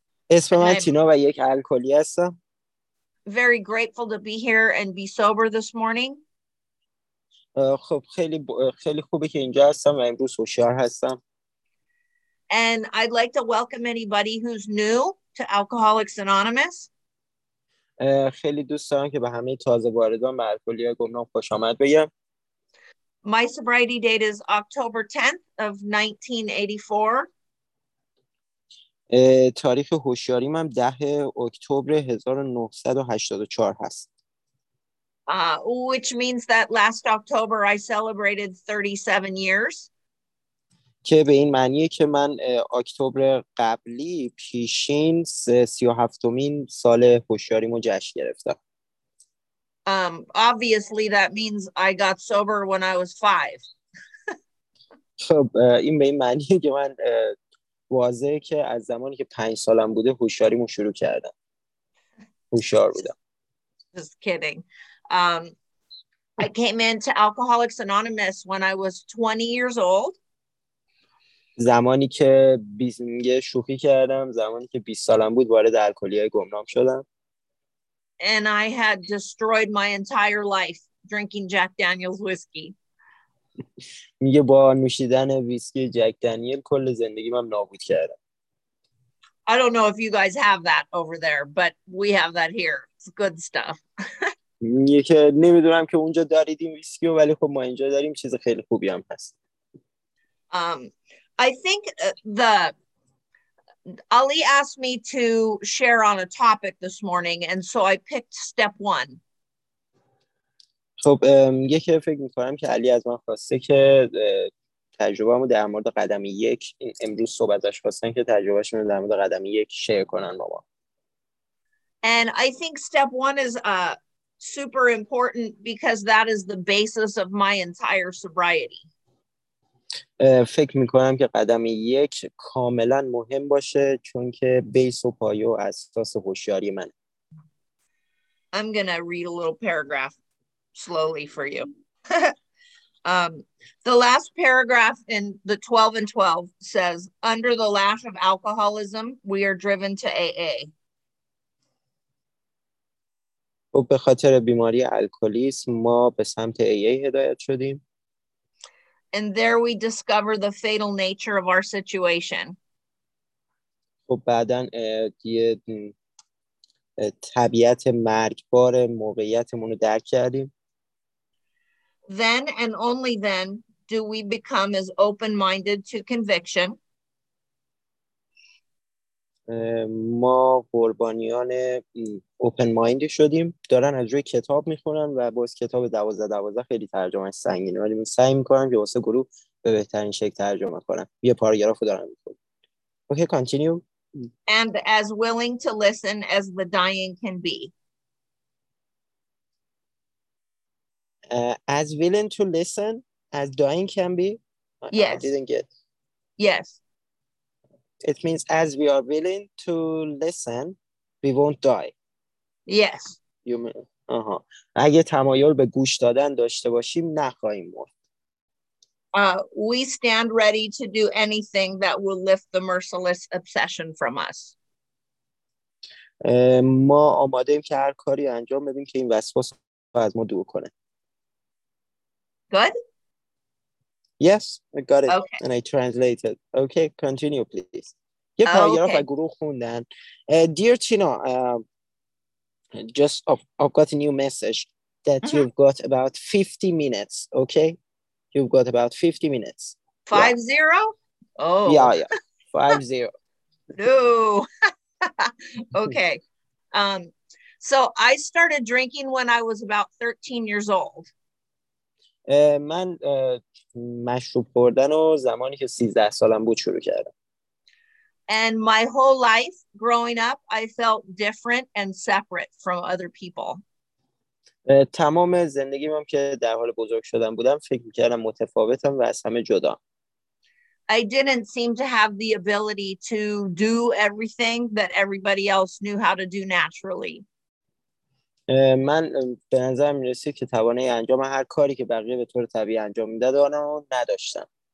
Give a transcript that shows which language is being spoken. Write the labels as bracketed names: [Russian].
[Persian] اسم من تینا و یک الکلی هستم. [English] Very grateful to be here and be sober this morning. [Persian] خب خیلی خوبه که اینجا هستم و امروز هوشیار هستم. [English] And I'd like to welcome anybody who's new to Alcoholics Anonymous. [Persian] خیلی دوست دارم که به همه تازه واردان به الکلی‌های گمنام خوش آمد بگم. [English] My sobriety date is October 10th of 1984. [Persian] تاریخ هوشیاری من 10 اکتبر 1984 هست. [English] Which means that last October I celebrated 37 years. [Persian] که به این معنیه که من اکتبر قبلی پیشین 37مین سال هوشیاریمو جشن گرفتم. [English] Obviously that means I got sober when I was 5. [Persian] خب این به این معنیه که من واضحه که از زمانی که 5 سالم بوده هوشیاریمو شروع کردم. هوشیار بودم. [English] Just kidding. I came into Alcoholics Anonymous when I was 20 years old. [Persian] زمانی که شوخی کردم، زمانی که 20 سالم بود وارد الکلی‌های گمنام شدم. [English] And I had destroyed my entire life drinking Jack Daniel's whiskey. [Persian] میگه با نوشیدن ویسکی جک دانیل کل زندگیم هم نابود کردم. [English] I don't know if you guys have that over there, but we have that here. It's good stuff. [Persian] میگه که نمیدونم که اونجا دارید این ویسکی رو، ولی خب ما اینجا داریم، چیز خیلی خوبی هم هست. [English] I think Ali asked me to share on a topic this morning, and so I picked step one. [Persian] خب میگه که فکر میکنم که علی از من خواسته که تجربه‌مو در مورد قدم یک امروز صحبت ازش خواستن که تجربه‌شون در مورد قدم یک شیر کنن با ما. [English] And I think step one is super important because that is the basis of my entire sobriety. [Persian] فکر میکنم که قدم یک کاملا مهم باشه چون که بیس و پایه و اساس هوشیاری من. [English] I'm gonna read a little paragraph slowly for you. The last paragraph in the 12 and 12 says, under the lash of alcoholism, we are driven to AA. [Persian] و به خاطر بیماری الکلیسم ما به سمت AA هدایت شدیم. [English] And there we discover the fatal nature of our situation. [Persian] خب بعدن یه طبیعت مرگبار موقعیتمون رو درک کردیم. [English] Then and only then do we become as open-minded to conviction. [Persian] ما قربانیان اوپن مایند شدیم، دارن از روی کتاب میخونن و باز کتاب 12-12 خیلی ترجمه سنگینه، ولی سعی میکنن که واسه گروه به بهترین شکل ترجمه کنن، یه پاراگراف رو دارن میخونن. [English] Okay continue. And as willing to listen as the dying can be. As willing to listen as dying can be. Yes. I didn't get. Yes. It means as we are willing to listen, we won't die. Yes. You mean, [Persian] اگه تمایل به گوش دادن داشته باشیم نخواهیم مرد. [English] We stand ready to do anything that will lift the merciless obsession from us. [Persian] ما آماده ایم که هر کاری انجام بدیم که این وسواس از ما دور کنه. [English] Good? Yes, I got it. Okay. And I translated. Okay, continue, please. [Persian] یه پاراگراف از گروه خوندن. [English] Dear Tina, just I've got a new message that you've got about 50 minutes, okay? You've got about 50 minutes. 50? Oh. Yeah. 50. No. Okay. So I started drinking when I was about 13 years old. [Persian] من مشروب خوردن و زمانی که 13 سالم بود شروع کردم. [English] And my whole life growing up, I felt different and separate from other people. [Persian] تمام زندگیم که در حال بزرگ شدن بودم فکر می‌کردم متفاوتم و از همه جدا. [English] I didn't seem to have the ability to do everything that everybody else knew how to do naturally. [Persian] من به نظر می‌رسید که توانه انجام هر کاری که بقیه به طور طبیعی انجام می‌دادن رو نداشتم.